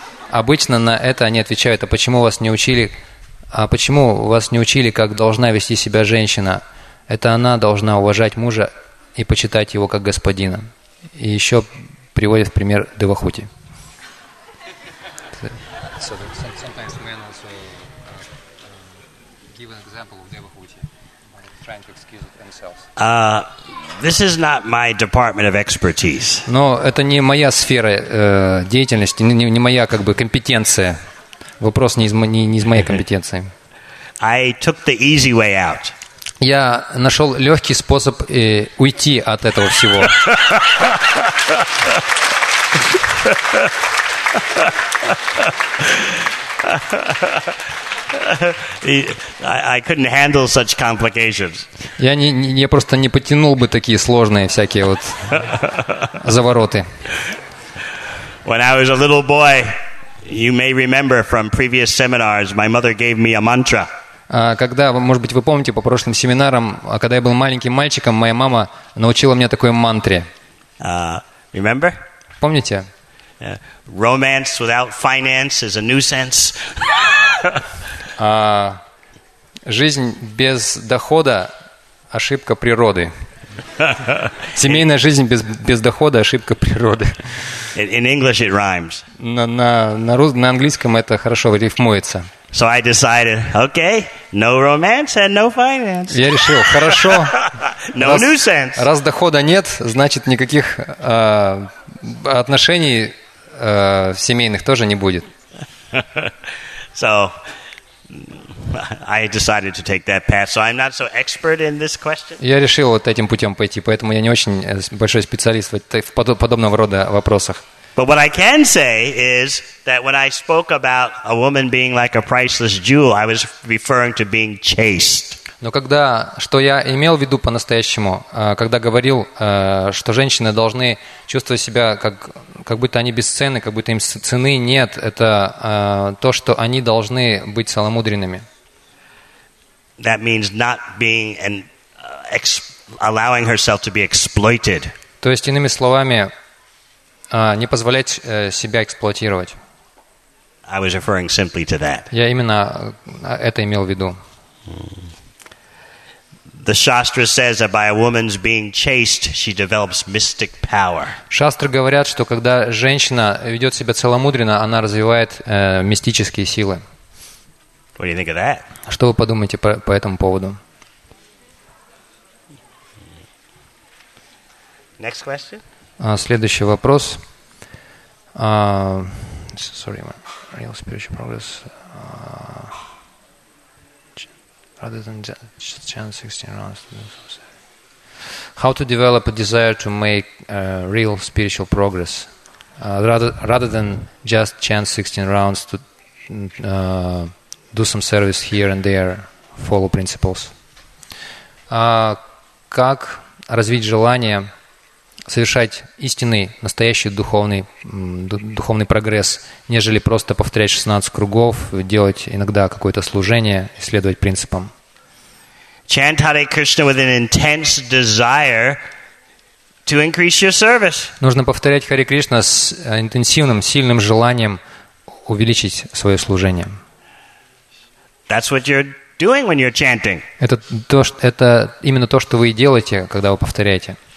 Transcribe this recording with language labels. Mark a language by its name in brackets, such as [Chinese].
[Russian] Обычно на это они отвечают: а почему вас не учили? А почему вас не учили, как должна вести себя женщина? Это она должна уважать мужа и почитать его как господина. И еще приводит в пример Девахути. [English] Sometimes men also give an example of Девахути, trying to excuse themselves. This is not my department of expertise. [Russian] Но это не моя сфера деятельности, не моя как бы компетенция. Вопрос не из моей компетенции. [English] I took the easy way out. [Russian] Я нашел легкий способ уйти от этого всего. [English] I couldn't handle such complications. [Russian] Я просто не потянул бы такие сложные всякие вот завороты. [English] When I was a little boy, you may remember from previous seminars, my mother gave me a mantra. [Russian] Когда, может быть, вы помните по прошлым семинарам, когда я был маленьким мальчиком, моя мама научила меня такой мантре. [English] Remember? [Russian] Помните? [English] Romance without finance is a nuisance. [Russian] Жизнь без дохода – ошибка природы. Семейная жизнь без дохода – ошибка природы. [English] In English it rhymes. [Russian] На английском это хорошо рифмуется. [English] So I decided, okay, no romance and no finance. [Russian] Я решил, хорошо. [English] No nuisance. [Russian] Раз дохода нет, значит, никаких отношений семейных тоже не будет. [English] So I decided to take that path. So I'm not so expert in this question. [Russian] Я решил вот этим путем пойти, поэтому я не очень большой специалист в подобного рода вопросах. [English] But what I can say is that when I spoke about a woman being like a priceless jewel, I was referring to being chaste. [Russian] Но когда, что я имел в виду по-настоящему, когда говорил, что женщины должны чувствовать себя как будто они бесценны, как будто им цены нет, это то, что они должны быть целомудренными. [English] That means not being and allowing herself to be exploited. [Russian] То есть, иными словами, не позволять себя эксплуатировать. [English] I was referring simply to that. [Russian] Я именно это имел в виду. [English] The Shastra says that by a woman's being chaste, she develops mystic power. [Russian] Шастры говорят, что когда женщина ведет себя целомудренно, она развивает мистические силы. [English] What do you think of that? [Russian] Что вы подумаете по этому поводу? [English] Next question. [Russian] Следующий вопрос. [English] Sorry, my real spiritual progress. Rather than chant 16 rounds. How to develop a desire to make real spiritual progress rather than just chant 16 rounds to do some service here and there, follow principles. [Russian] Как развить желание совершать истинный, настоящий духовный прогресс, нежели просто повторять 16 кругов, делать иногда какое-то служение, следовать принципам. [English] Chant Hare Krishna with an intense desire to increase your service. [Russian] Нужно повторять Харе Кришна с интенсивным, сильным желанием увеличить свое служение. [English] That's what you're doing when you're chanting. [Russian] Это именно то, что вы делаете, когда вы повторяете.